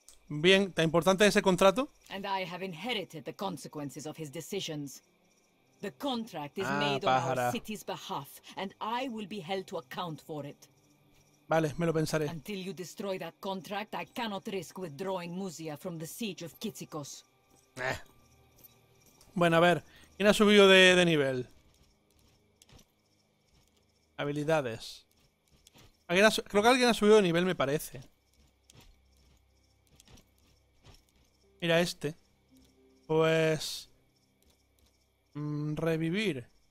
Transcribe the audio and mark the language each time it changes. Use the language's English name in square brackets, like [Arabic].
[Spanish] Bien, ¿tan importante ese contrato? [English] And I have inherited the consequences of his decisions. The contract is made on our city's behalf, and I will be held to account for it. [Spanish] Vale, me lo pensaré. [English] Until you destroy that contract, I cannot risk withdrawing Musia from the siege of Kitsikos. [Spanish] Bueno, a ver, ¿quién ha subido de nivel? Habilidades. Creo que alguien ha subido de nivel, me parece. Mira este. Pues revivir.